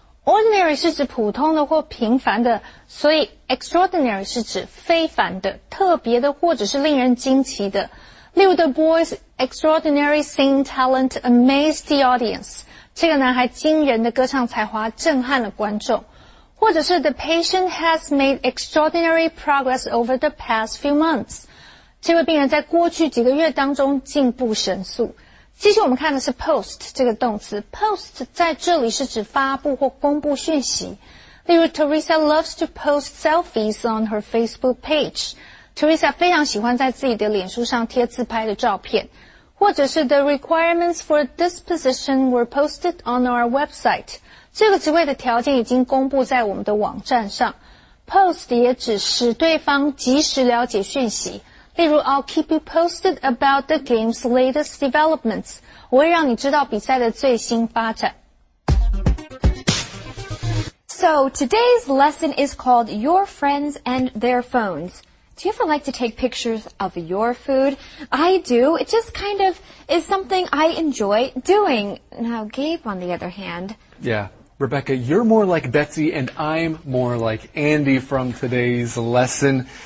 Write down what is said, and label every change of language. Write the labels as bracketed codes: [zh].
[zh] ordinary 是指普通的或平凡的。所以 extraordinary 是指非凡的、特别的或者是令人惊奇的。例如 [en] The boy's extraordinary singing talent amazed the audience. [zh] 这个男孩惊人的歌唱才华震撼了观众。或者是 [en] The patient has made extraordinary progress over the past few months. [zh] 这位病人在过去几个月当中进步神速。继续我们看的是 post 这个动词。post 在这里是指发布或公布讯息。例如 [en] Teresa loves to post selfies on her Facebook page. [zh] Teresa 非常喜欢在自己的脸书上贴自拍的照片。或者是 [en] The requirements for this position were posted on our website. [zh] 这个职位的条件已经公布在我们的网站上。 Post 也指使对方及时了解讯息。例如 [en] I'll keep you posted about the game's latest developments. [zh] 我会让你知道比赛的最新发展。 [en] So, today's lesson is called Your Friends and Their Phones. Do you ever like to take pictures of your food? I do. It just kind of is something I enjoy doing. Now, Gabe, on the other hand. Yeah. Rebecca, you're more like Betsy and I'm more like Andy from today's lesson.